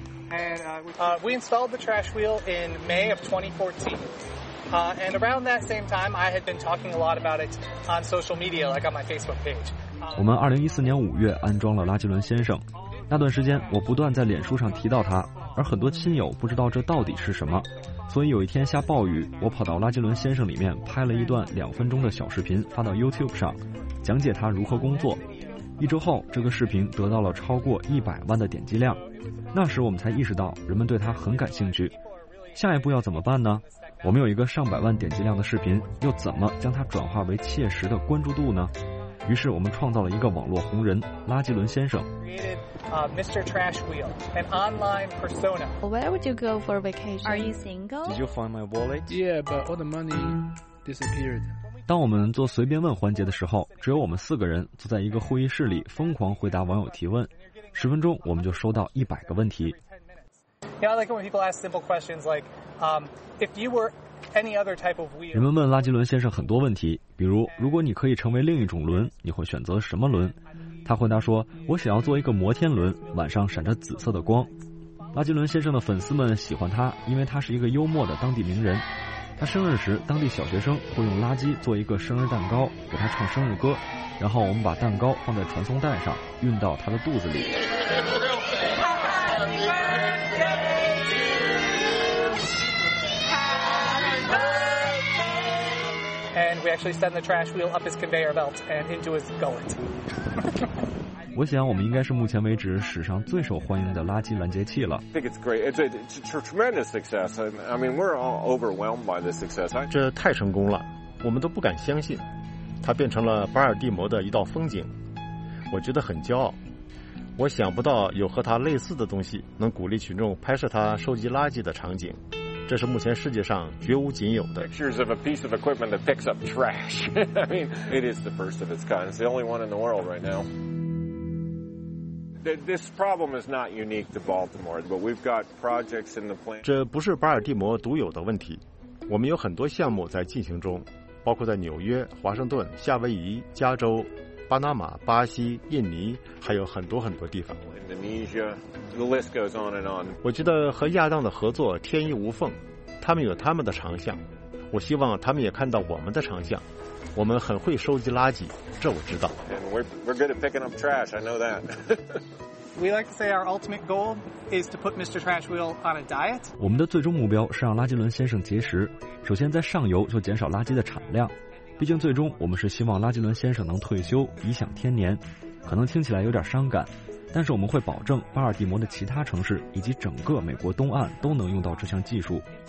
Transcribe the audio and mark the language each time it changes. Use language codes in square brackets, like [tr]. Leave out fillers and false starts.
[en] And, we installed the trash wheel in May of 2014. And around that same time, I had been talking a lot about it on social media, like on my Facebook page. [zh] 我们2014年5月安装了垃圾轮先生。那段时间我不断在脸书上提到他，而很多亲友不知道这到底是什么，所以有一天下暴雨，我跑到垃圾轮先生里面拍了一段2分钟的小视频发到 YouTube 上，讲解他如何工作。一周后，这个视频得到了超过100万的点击量，那时我们才意识到人们对他很感兴趣。下一步要怎么办呢？我们有一个上百万点击量的视频，又怎么将它转化为切实的关注度呢？于是我们创造了一个网络红人——垃圾轮先生。 [en] Mr. Trash Wheel, an online persona. Where would you go for a vacation? Are you single? Did you find my wallet? Yeah, but all the money disappeared. [zh] 当我们做随便问环节的时候，只有我们四个人坐在一个会议室里疯狂回答网友提问。 10分钟，我们就收到100个问题。 [en] Yeah, I like when people ask simple questions like, if you were. [zh] 人们问垃圾轮先生很多问题，比如如果你可以成为另一种轮，你会选择什么轮？他回答说，我想要做一个摩天轮，晚上闪着紫色的光。垃圾轮先生的粉丝们喜欢他，因为他是一个幽默的当地名人。他生日时，当地小学生会用垃圾做一个生日蛋糕，给他唱生日歌，然后我们把蛋糕放在传送带上，运到他的肚子里。 [en] We actually send the trash wheel up his conveyor belt and into his gullet. [zh] 我想我们应该是目前为止史上最受欢迎的垃圾拦截器了。 [en] I think it's great. It's a tremendous success. I mean, we're all overwhelmed by this success. [zh] 这太成功了，我们都不敢相信，它变成了巴尔的摩的一道风景。我觉得很骄傲。我想不到有和它类似的东西能鼓励群众拍摄它收集垃圾的场景。这是目前世界上绝无仅有的。 [en] Pictures of a piece of equipment that picks up trash. I mean, it is the first of its kind. It's the only one in the world right now. This problem is not unique to Baltimore, but we've got projects in the plan. [zh] 这不是巴尔的摩独有的问题。我们有很多项目在进行中，包括在纽约、华盛顿、夏威夷、加州、巴拿马、巴西、印尼，还有很多很多地方。 [en] Indonesia, the list goes on and on. [zh] 我觉得和亚当的合作天衣无缝，他们有他们的长项，我希望他们也看到我们的长项。我们很会收集垃圾，这我知道。 [en] And we're good at picking up trash, I know that. We like to say our ultimate goal is to put Mr. Trash Wheel on a diet. [zh] 我们的最终目标是让垃圾轮先生节食，首先在上游就减少垃圾的产量。毕竟最终我们是希望拉吉伦先生能退休颐享天年，可能听起来有点伤感，但是我们会保证巴尔的摩的其他城市以及整个美国东岸都能用到这项技术。